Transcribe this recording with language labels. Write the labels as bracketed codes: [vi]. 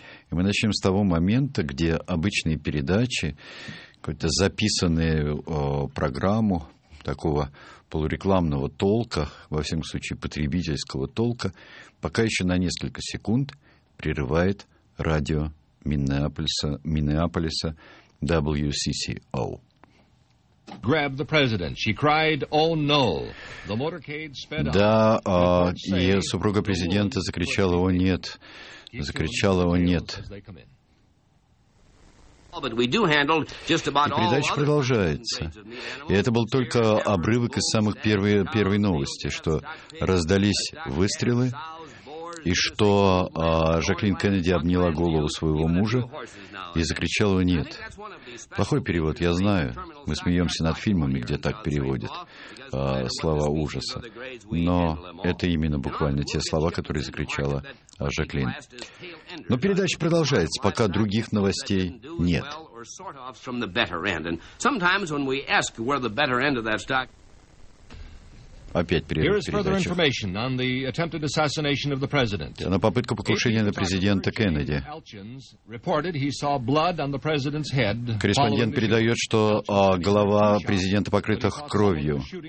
[ru] И мы начнем с того момента, где обычные передачи, какую-то записанную программу такого полурекламного толка, во всем случае потребительского толка, пока еще на несколько секунд прерывает радио Миннеаполиса WCCO. [en] Grab the president, she cried, oh no. The motorcade sped up. [ru] Да, и супруга президента закричала, о нет, закричала, о нет. И передача продолжается. И это был только обрывок из самых первой новости, что раздались выстрелы, и что Жаклин Кеннеди обняла голову своего мужа и закричала «нет». Плохой перевод, я знаю. Мы смеемся над фильмами, где так переводят слова ужаса. Но это именно буквально те слова, которые закричала Жаклин. Но передача продолжается, пока других новостей нет. [en] Sometimes when we ask where the better end of that stock... [ru] Опять передача. Она попытка покушения на президента Кеннеди. Корреспондент передает, что голова президента покрыта кровью.